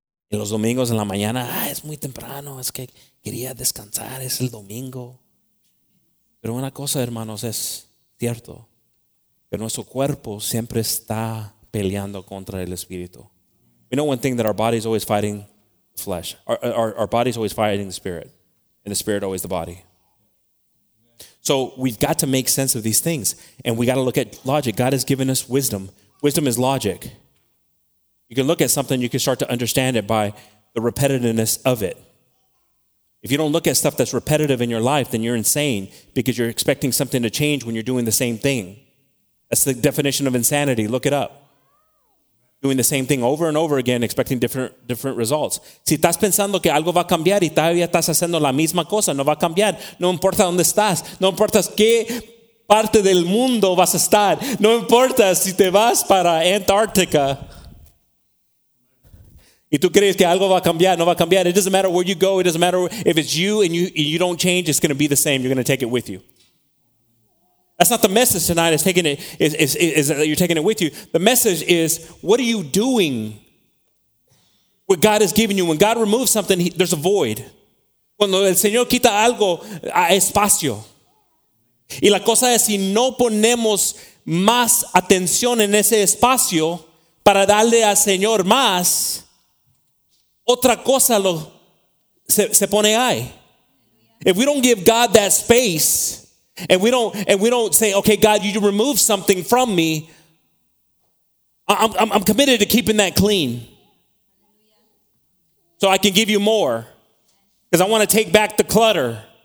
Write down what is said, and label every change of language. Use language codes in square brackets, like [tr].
[es] En los domingos en la mañana, es muy temprano. Es que quería descansar. Es el domingo. Pero una cosa, hermanos, es cierto. Que nuestro cuerpo siempre está peleando contra el espíritu. [en] We know one thing, that our body is always fighting the flesh. Our body is always fighting the spirit, and the spirit always the body. So we've got to make sense of these things, and we got to look at logic. God has given us wisdom. Wisdom is logic. You can look at something, you can start to understand it by the repetitiveness of it. If you don't look at stuff that's repetitive in your life, then you're insane because you're expecting something to change when you're doing the same thing. That's the definition of insanity. Look it up. Doing the same thing over and over again, expecting different results. [es] Si estás pensando que algo va a cambiar y todavía estás haciendo la misma cosa, no va a cambiar. No importa dónde estás. No importa qué parte del mundo vas a estar. No importa si te vas para Antártica. Y tú crees que algo va a cambiar, no va a cambiar. [en] It doesn't matter where you go. It doesn't matter if it's you and you don't change, it's going to be the same. You're going to take it with you. That's not the message tonight. You're taking it with you. The message is, what are you doing? What God has given you. When God removes something, there's a void. [es] Cuando el Señor quita algo, hay espacio. Y la cosa es, si no ponemos más atención en ese espacio para darle al Señor más, otra cosa se pone ahí. [en] If we don't give God that space, And we don't say, okay, God, you removed something from me. I'm committed to keeping that clean, so I can give you more, because I want to take back the clutter.